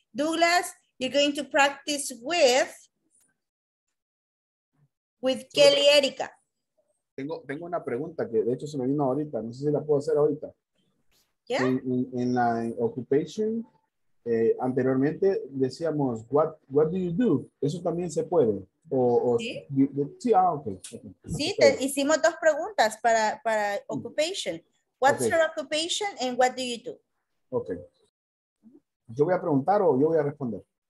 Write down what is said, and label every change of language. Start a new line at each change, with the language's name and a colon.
English: Douglas, you're going to practice with Kelly Erika.
Spanish: Tengo una pregunta que de hecho se me vino ahorita. No sé si la puedo hacer ahorita. ¿Ya? Yeah. En la occupation, anteriormente decíamos,
English: what do you do?
Spanish: Eso también se puede. Sí, te hicimos dos preguntas para occupation.
English: What's okay. Your occupation and what do you do? Okay.
Spanish: ¿Yo voy a preguntar o yo voy a responder?